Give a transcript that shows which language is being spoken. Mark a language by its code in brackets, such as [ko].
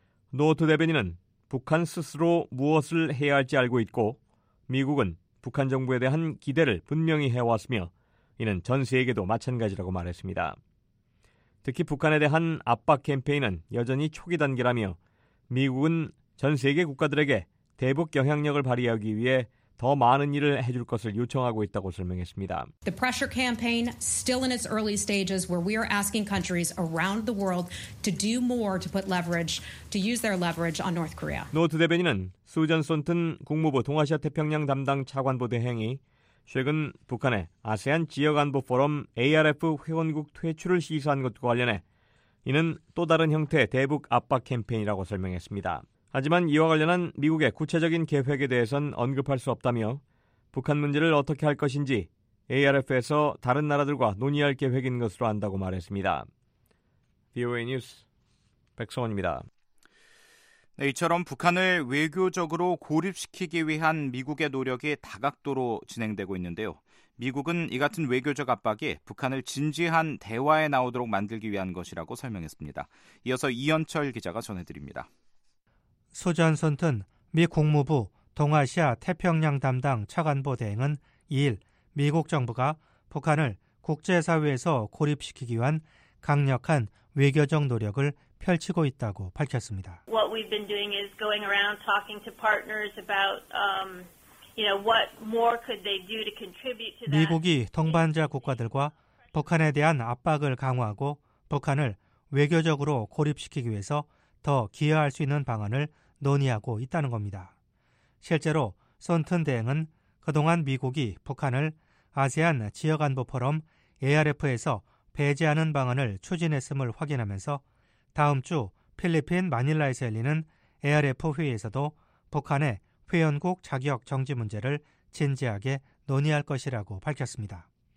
[ko] 노트 대변인은 북한 스스로 무엇을 해야 할지 알고 있고 미국은 북한 정부에 대한 기대를 분명히 해왔으며 이는 전 세계도 마찬가지라고 말했습니다. 특히 북한에 대한 압박 캠페인은 여전히 초기 단계라며 미국은 전 세계 국가들에게 대북 영향력을 발휘하기 위해 더 많은 일을 해줄 것을 요청하고 있다고 설명했습니다. [en] The pressure campaign still in its early stages where we are asking countries around the world to do more to put leverage, to use their leverage on North Korea. [ko] 노트 대변인은 수잔 썬튼 국무부 동아시아 태평양 담당 차관보 대행이 최근 북한의 아세안 지역안보 포럼 ARF 회원국 퇴출을 시사한 것과 관련해 이는 또 다른 형태의 대북 압박 캠페인이라고 설명했습니다. 하지만 이와 관련한 미국의 구체적인 계획에 대해선 언급할 수 없다며 북한 문제를 어떻게 할 것인지 ARF에서 다른 나라들과 논의할 계획인 것으로 안다고 말했습니다. VOA 뉴스 백성원입니다. 네, 이처럼 북한을 외교적으로 고립시키기 위한 미국의 노력이 다각도로 진행되고 있는데요. 미국은 이 같은 외교적 압박이 북한을 진지한 대화에 나오도록 만들기 위한 것이라고 설명했습니다. 이어서 이현철 기자가 전해드립니다. 수잔 썬튼 미 국무부 동아시아 태평양 담당 차관보 대행은 2일 미국 정부가 북한을 국제사회에서 고립시키기 위한 강력한 외교적 노력을 펼치고 있다고 밝혔습니다. [en] What we've been doing is going around talking to partners about you know what more could they do to contribute to that. [ko] 미국이 동반자 국가들과 북한에 대한 압박을 강화하고 북한을 외교적으로 고립시키기 위해서 더 기여할 수 있는 방안을 논의하고 있다는 겁니다. 실제로 썬튼 대행은 그동안 미국이 북한을 아세안 지역안보포럼 ARF에서 배제하는 방안을 추진했음을 확인하면서 다음 주 필리핀 마닐라에서 열리는 ARF 회의에서도 북한의 회원국 자격 정지 문제를 진지하게 논의할 것이라고 밝혔습니다.